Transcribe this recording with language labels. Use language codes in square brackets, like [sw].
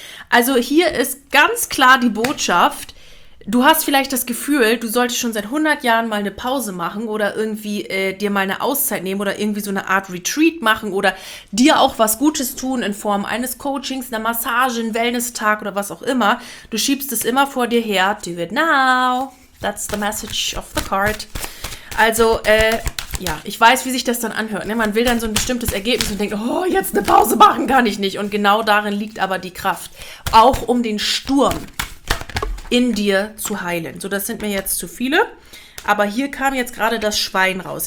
[de] Also hier ist ganz klar die Botschaft, du hast vielleicht das Gefühl, du solltest schon seit 100 Jahren mal eine Pause machen oder irgendwie dir mal eine Auszeit nehmen oder irgendwie so eine Art Retreat machen oder dir auch was Gutes tun in Form eines Coachings, einer Massage, einen Wellness-Tag oder was auch immer. Du schiebst es immer vor dir her. [en] Do it now. That's the message of the card. [de] Also, ja, ich weiß, wie sich das dann anhört. Ne? Man will dann so ein bestimmtes Ergebnis und denkt, oh, jetzt eine Pause machen kann ich nicht. Und genau darin liegt aber die Kraft. Auch um den Sturm in dir zu heilen. So, das sind mir jetzt zu viele. Aber hier kam jetzt gerade das Schwein raus.